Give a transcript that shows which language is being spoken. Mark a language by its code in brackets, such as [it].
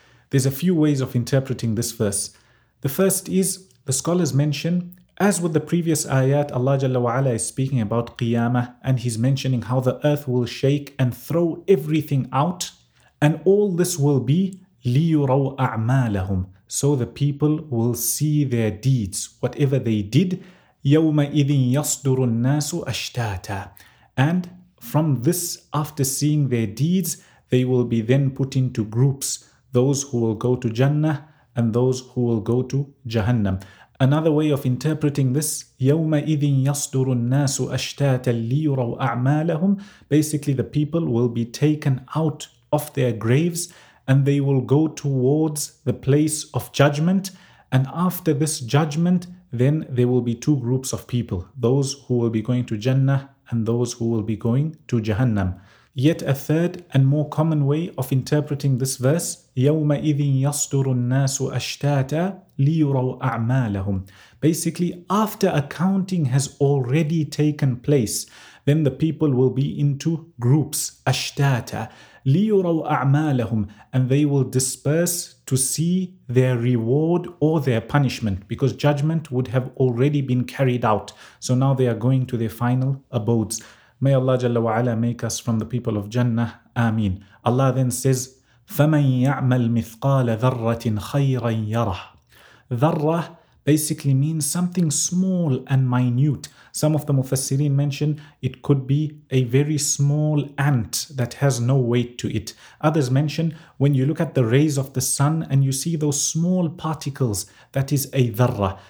[en] There's a few ways of interpreting this verse. The first is, the scholars mention, as with the previous ayat, Allah Jalla wa Ala is speaking about Qiyamah, and he's mentioning how the earth will shake and throw everything out, and all this will be [ar] لِيُرَوْا أَعْمَالَهُمْ, [en] so the people will see their deeds, whatever they did. [ar] يَوْمَئِذٍ يَصْدُرُ النَّاسُ أَشْتَاتًا. [en] And from this, after seeing their deeds, they will be then put into groups, those who will go to Jannah and those who will go to Jahannam. Another way of interpreting this, [ar] يَوْمَئِذٍ يَصْدُرُ النَّاسُ أَشْتَاتًا لِيُرَوْا أَعْمَالَهُمْ. [en] Basically, the people will be taken out of their graves and they will go towards the place of judgment. And after this judgment, then there will be two groups of people, those who will be going to Jannah and those who will be going to Jahannam. Yet a third and more common way of interpreting this verse, [ar] يَوْمَئِذٍ يَصْدُرُ النَّاسُ أَشْتَاتًا لِيُرَوْا أَعْمَالَهُمْ. [en] Basically, after accounting has already taken place, then the people will be into groups, [ar] أَشْتَاتًا لِيُرَوْا أَعْمَالَهُمْ, [en] and they will disperse to see their reward or their punishment, because judgment would have already been carried out. So now they are going to their final abodes. May Allah Jalla wa Ala make us from the people of Jannah. Ameen. Allah then says, [ar] فَمَنْ يَعْمَلْ مِثْقَالَ ذَرَّةٍ خَيْرًا يَرَهُ. [en] ذَرَّة basically means something small and minute. Some of the Mufassirin mention it could be a very small ant that has no weight to it. Others mention when you look at the rays of the sun and you see those small particles, that is a dharra.